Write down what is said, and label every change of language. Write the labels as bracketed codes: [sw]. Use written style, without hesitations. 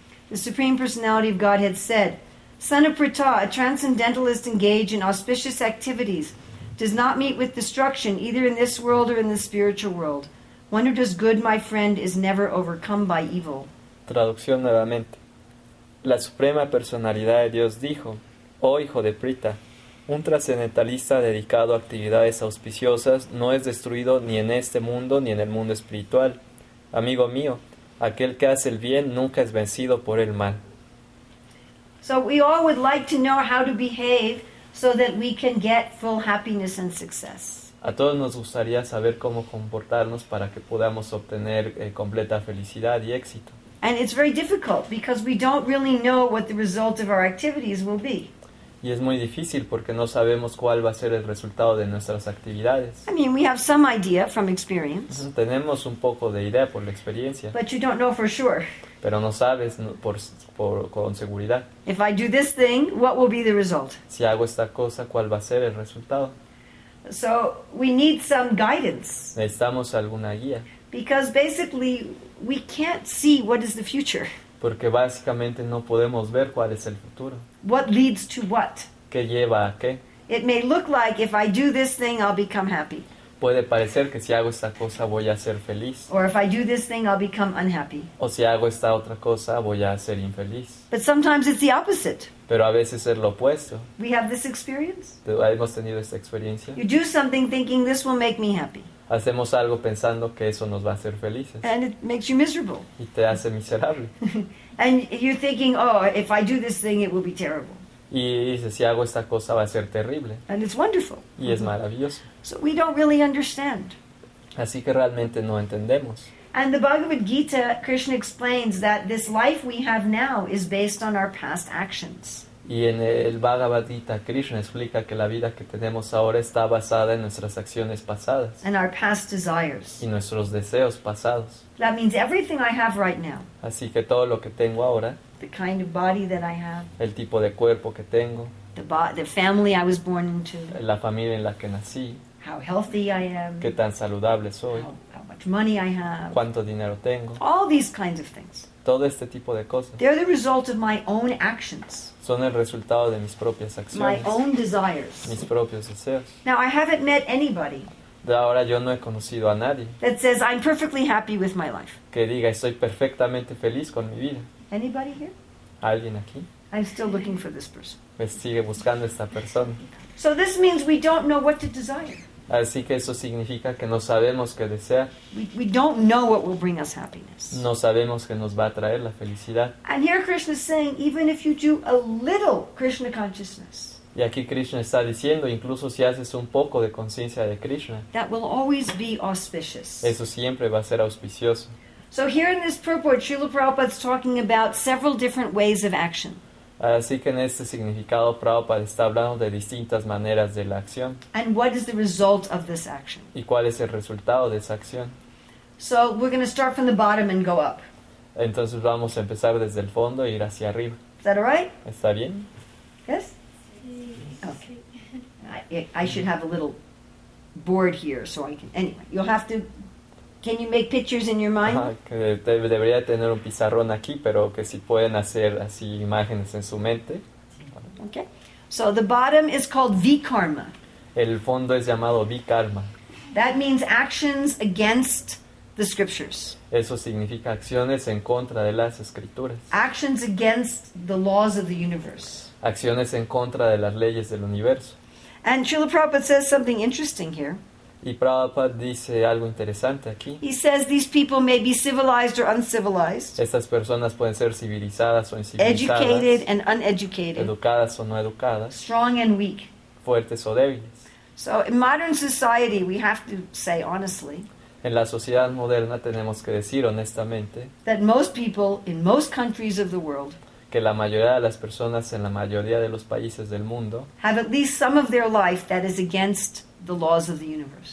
[en] The Supreme Personality of Godhead said, "Son of Pritha, a transcendentalist engaged in auspicious activities does not meet with destruction either in this world or in the spiritual world. One who does good, my friend, is never overcome by evil." [es] Traducción nuevamente. La Suprema Personalidad de Dios dijo, "Oh hijo de Pritha, un trascendentalista dedicado a actividades auspiciosas no es destruido ni en este mundo ni en el mundo espiritual. Amigo mío, aquel que hace el bien nunca es vencido por el mal." [en] So we all would like to know how to behave so that we can get full happiness and success. [es] A todos nos gustaría saber cómo comportarnos para que podamos obtener completa felicidad y éxito. [en] And it's very difficult because we don't really know what the result of our activities will be. [es] Y es muy difícil porque no sabemos cuál va a ser el resultado de nuestras actividades. [en] I mean, we have some idea from experience. [es] Tenemos un poco de idea por la experiencia. [en] But you don't know for sure. [es] Pero no sabes con seguridad. [en] If I do this thing, what will be the result? [es] Si hago esta cosa, ¿cuál va a ser el resultado? [en] So we need some guidance. [es] Necesitamos alguna guía. [en] Because basically we can't see what is the future. [es] Porque básicamente no podemos ver cuál es el futuro. [en] What leads to what? [es] ¿Qué lleva a qué? [en] It may look like if I do this thing I'll become happy. [es] Puede parecer que si hago esta cosa voy a ser feliz. [en] Or if I do this thing I'll become unhappy. [es] O si hago esta otra cosa voy a ser infeliz. [en] But sometimes it's the opposite. [es] Pero a veces es lo opuesto. [en] We have this experience. [es] Hemos tenido esta experiencia. [en] You do something thinking this will make me happy. [es] Hacemos algo pensando que eso nos va a hacer felices. [en] And it makes you miserable. [es] Y te hace miserable. [en] And you're thinking, oh, if I do this thing, it will be terrible. [es] Y dices, si hago esta cosa, va a ser terrible. [en] And it's wonderful. [es] Y es maravilloso. [en] So we don't really understand. [es] Así que realmente no entendemos. [en] And the Bhagavad Gita, Krishna explains that this life we have now is based on our past actions. [es] Y en el Bhagavad Gita, Krishna explica que la vida que tenemos ahora está basada en nuestras acciones pasadas. [en] And our past desires. [es] Y nuestros deseos pasados. [en] That means everything I have right now. [es] Así que todo lo que tengo ahora. [en] The kind of body that I have. [es] El tipo de cuerpo que tengo. [en] The family I was born into. [es] La familia en la que nací. [en] How healthy I am. [es] Qué tan saludable soy. [en] How much money I have. [es] Cuánto dinero tengo. [en] All these kinds of things. [es] Todo este tipo de cosas. [en] They're the result of my own actions. [es] Son el resultado de mis propias acciones. [en] My own desires. [es] Mis propios deseos. [en] Now I haven't met anybody. [es] De ahora yo no he conocido a nadie. [en] That says I'm perfectly happy with my life. [es] Que diga estoy perfectamente feliz con mi vida. [en] Anybody here? [es] ¿Alguien aquí? [en] I'm still looking for this person. [es] Me sigue buscando esta persona. [en] So this means we don't know what to desire. [es] Así que eso significa que no sabemos qué desear. [en] We don't know what will bring us happiness. [es] No sabemos qué nos va a traer la felicidad. [en] And here Krishna is saying, even if you do a little Krishna consciousness. [es] Y aquí Krishna está diciendo, incluso si haces un poco de conciencia de Krishna. [en] That will always be auspicious. [es] Eso siempre va a ser auspicioso. [en] So here in this purport, Srila Prabhupada is talking about several different ways of action. [es] Así que en este significado Prabhupada está hablando de distintas maneras de la acción. [en] And what is the result of this action? [es] ¿Y cuál es el resultado de esa acción? [en] So we're going to start from the bottom and go up. [es] Entonces vamos a empezar desde el fondo e ir hacia arriba. [en] Is that all right? [es] ¿Está bien? [en] Yes? Okay. I should have a little board here so I can... Anyway, you'll have to... Can you make pictures in your mind? [es] Debería tener un pizarrón aquí, pero que si pueden hacer así imágenes en su mente. [en] Okay. So the bottom is called vikarma. [es] El fondo es llamado vikarma. [en] That means actions against the scriptures. [es] Eso significa acciones en contra de las escrituras. [en] Actions against the laws of the universe. [es] Acciones en contra de las leyes del universo. [en] And Srila Prabhupada says something interesting here. [es] Y Prabhupada dice algo interesante aquí. [en] He says these people may be civilized or uncivilized. [es] Estas personas pueden ser civilizadas o incivilizadas. [en] Educated and uneducated. [es] Educadas o no educadas. [en] Strong and weak. [es] Fuertes o débiles. [en] So in modern society we have to say honestly. [es] En la sociedad moderna tenemos que decir honestamente. [en] That most people in most countries of the world. [es] Que la mayoría de las personas en la mayoría de los países del mundo. [en] Have at least some of their life that is against the laws of the universe.